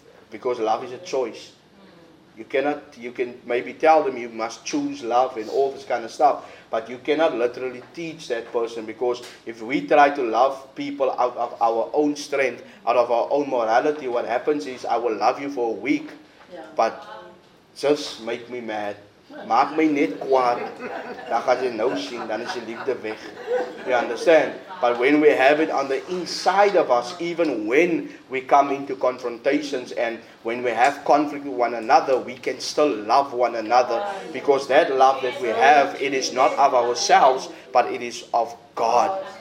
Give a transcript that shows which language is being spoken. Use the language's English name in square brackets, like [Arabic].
[English] Because love is a choice. You cannot, you can maybe tell them you must choose love and all this kind of stuff, but you cannot literally teach that person, because if we try to love people out of our own strength, out of our own morality, what happens is I will love you for a week, but just make me mad. [Afrikaans] Maak my net kwaad. Dan gaat jy nou sien, dan is jy liefde weg. [English] You understand? But when we have it on the inside of us, even when we come into confrontations and when we have conflict with one another, we can still love one another. Because that love that we have, it is not of ourselves, but it is of God.